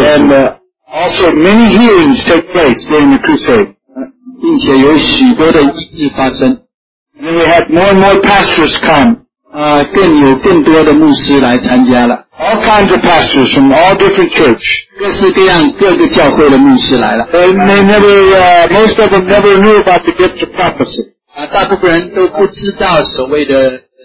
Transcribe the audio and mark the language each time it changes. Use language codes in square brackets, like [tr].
[en] And also many healings took place during the crusade. [zh] 并且有许多的医治发生. [en] And we had more and more pastors come. [zh] 更有更多的牧师来参加了. [en] All kinds of pastors from all different churches. [zh] 各式各样各个教会的牧师来了. [en] Most of them never knew about the gift of prophecy. [zh] 大部分人都不知道所谓的